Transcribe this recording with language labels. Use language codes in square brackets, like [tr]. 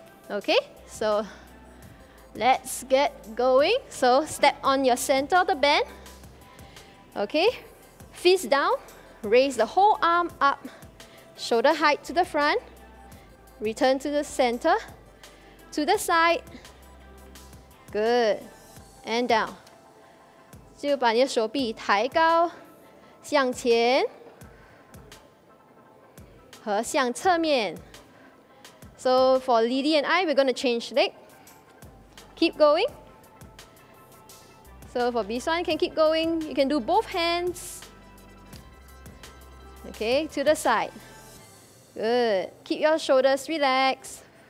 [en] Okay, so let's get going. So step on your center of the band. Okay, fist down, raise the whole arm up, shoulder height to the front, return to the center, to the side. Good, and down. [zh] 就把你的手臂抬高, 向前和向侧面. [en] So for Lily and I, we're going to change leg. Keep going. So for Biswan, you can keep going. You can do both hands. Okay, to the side. Good. Keep your shoulders relaxed.